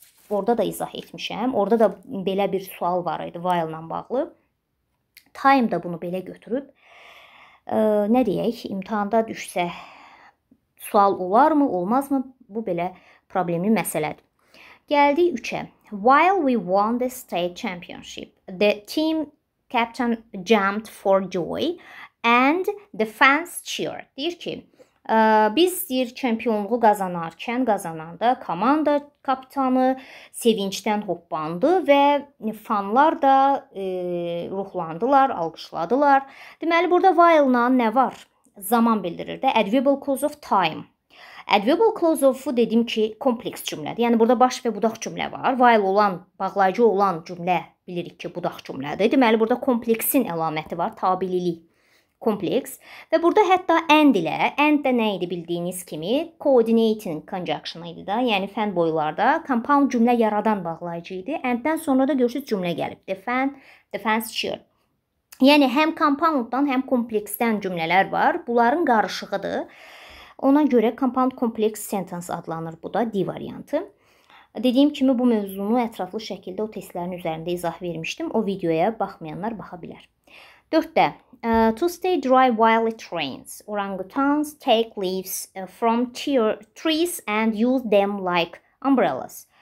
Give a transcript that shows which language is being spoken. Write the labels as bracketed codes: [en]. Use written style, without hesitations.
[az] Orada da izah etmişəm. Orada da belə bir sual var idi while ilə bağlı. Time da bunu belə götürüb. Nə deyək, imtahanda düşsə sual olarmı, olmazmı? Bu belə problemli məsələdir. Gəldik 3-ə. [en] While we won the state championship, the team captain jumped for joy and the fans cheered. [az] Deyir ki, biz deyir, çempionluğu qazanarkən qazananda komanda kapitanı sevincdən hoppandı və fanlar da ruhlandılar, alqışladılar. Deməli, burada while-la nə var? Zaman bildirir də. Adverbial clause of time. Adverbial clause of-u dedim ki, kompleks cümlədir. Yəni, burada baş və budaq cümlə var. While olan, bağlayıcı olan cümlə bilirik ki, budaq cümlədir. Deməli, burada kompleksin əlaməti var, tabililik. Kompleks. Və burada hətta and ilə, and də nə idi bildiyiniz kimi? Coordinating conjunction idi da, yəni fən boylarda compound cümlə yaradan bağlayıcı idi. And-dən sonra da görürsünüz cümlə gəlib. The fans cheer. Yəni, həm compound-dan, həm kompleksdən cümlələr var. Bunların qarışığıdır. Ona görə compound complex sentence adlanır bu da, D variantı. Dediyim kimi, bu mövzunu ətraflı şəkildə o testlərin üzərində izah vermişdim. O videoya baxmayanlar baxa bilər. [en] 4-də. To stay dry while it rains, orangutans take leaves from trees and use them like umbrellas.